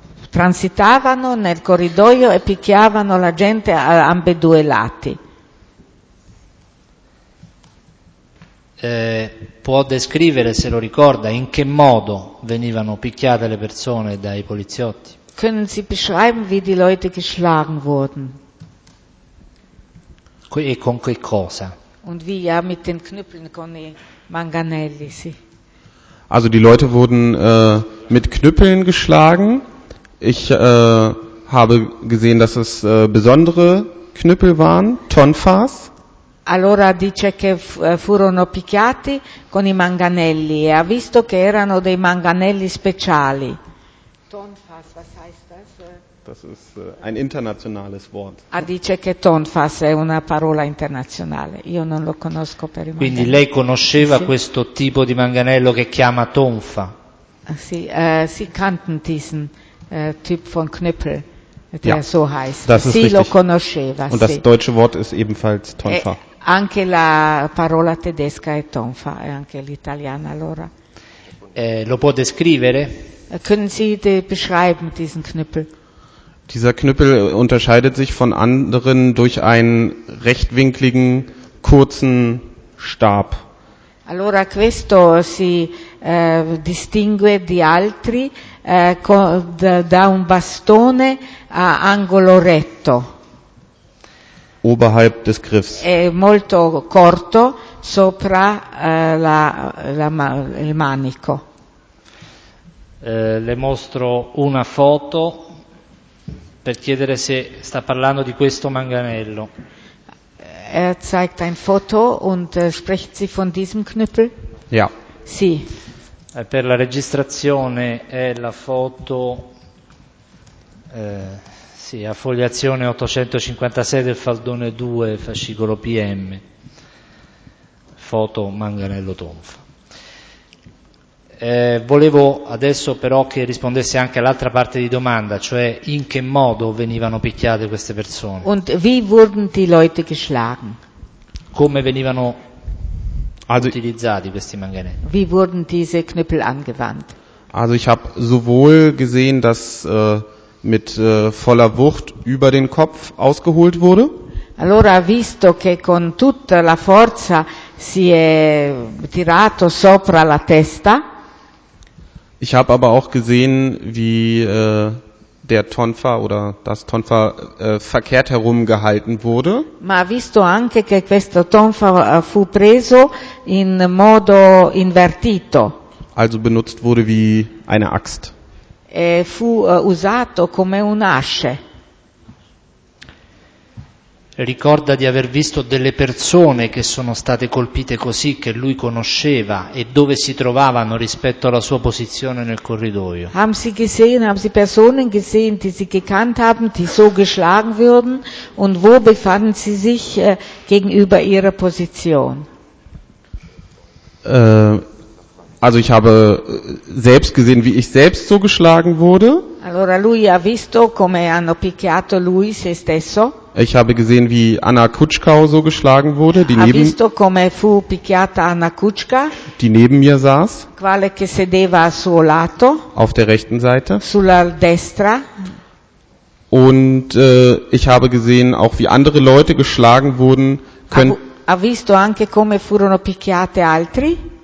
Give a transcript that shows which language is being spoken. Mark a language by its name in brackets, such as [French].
[Italian] transitavano nel corridoio e picchiavano la gente a ambedue lati. Può descrivere, se lo ricorda, in che modo venivano picchiate le persone dai poliziotti? [German] Können Sie beschreiben, wie die Leute geschlagen wurden? [Italian] E con che cosa? [German] Und wie, ja, mit den Knüppeln, [Italian] con i manganelli, sì. [German] Also die Leute wurden mit Knüppeln geschlagen. Ich habe gesehen, dass es besondere Knüppel waren, Tonfas. [Italian] Allora dice che furono picchiati con i manganelli e ha visto che erano dei manganelli speciali. [German] Tonfas, was heißt das? Das ist ein internationales Wort. [Italian] Ah, dice che tonfas è una parola internazionale. Io non lo conosco per i manganelli. Quindi lei conosceva sì. Questo tipo di manganello che chiama tonfa? Sì, sì, [German] kannten diesen Typ von Knüppel. Der ja, so heißt. Das [Italian] sì, lo conosceva. [German] Und [Italian] sì. [German] Das deutsche Wort ist ebenfalls tonfa. [Italian] Anche la parola tedesca è tonfa, e anche l'italiana allora. Lo può descrivere? [German] Können Sie die beschreiben, diesen Knüppel? Dieser Knüppel unterscheidet sich von anderen durch einen rechtwinkligen, kurzen Stab. [Italian] Allora questo si distingue di altri da un bastone a angolo retto. [German] Oberhalb des Griffs. [Italian] È molto corto sopra il manico. Le mostro una foto per chiedere se sta parlando di questo manganello. [German] Er zeigt ein Foto und spricht sie von diesem Knüppel? Ja. [Italian] Sì. Per la registrazione è la foto sì, a foliazione 856 del faldone 2, fascicolo PM. Foto manganello tonfa. Volevo adesso però che rispondesse anche all'altra parte di domanda, cioè in che modo venivano picchiate queste persone? [German] Und wie wurden die Leute geschlagen? [Italian] Come venivano utilizzati questi manganelli? [German] Wie wurden diese Knüppel angewandt? Also ich habe sowohl gesehen, dass mit voller Wucht über den Kopf ausgeholt wurde. [Italian] Allora ha visto che con tutta la forza si è tirato sopra la testa. [German] Ich habe aber auch gesehen, wie der Tonfa oder das Tonfa verkehrt herum gehalten wurde. [Italian] Ma ha visto anche che questo Tonfa fu preso in modo invertito. [German] Also benutzt wurde wie eine Axt. [Italian] E fu usato come un'asce. Ricorda di aver visto delle persone che sono state colpite così, che lui conosceva, e dove si trovavano rispetto alla sua posizione nel corridoio? [German] Haben Sie gesehen, haben Sie Personen gesehen, die Sie gekannt haben, die so geschlagen wurden, und wo befanden Sie sich gegenüber Ihrer Position? Also ich habe selbst gesehen, wie ich selbst so geschlagen wurde. [Italian] Allora lui ha visto come hanno picchiato lui se stesso. [German] Ich habe gesehen, wie Anna Kutschkau so geschlagen wurde, die neben [Italian] visto come fu picchiata Anna Kutschka, [German] die neben mir saß. [Italian] Quale che sedeva a suo lato. [German] Auf der rechten Seite. [Italian] Sulla destra. [German] Und ich habe gesehen, auch wie andere Leute geschlagen wurden. [Italian] Ha visto anche come furono picchiate altri.